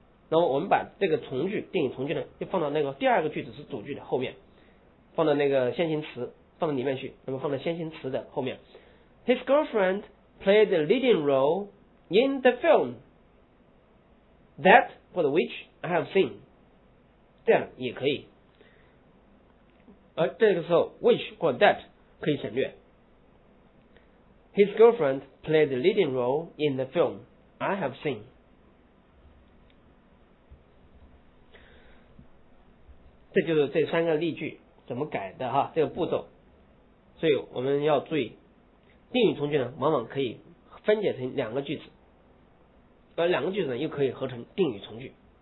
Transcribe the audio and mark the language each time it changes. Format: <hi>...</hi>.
<zh>那么我们把这个从句定语从句呢就放到那个第二个句子是主句的后面，放到那个先行词放到里面去，那么放到先行词的后面。</zh> <en>His girlfriend played the leading role in the film that for the which I have seen， 这样也可以。</en> <zh>而这个时候 which 或 that 可以省略。</zh> <en>His girlfriend played the leading role in the film I have seen。</en> <zh>这就是这三个例句怎么改的哈，这个步骤。所以我们要注意定语从句呢往往可以分解成两个句子，而两个句子呢又可以合成定语从句。</zh>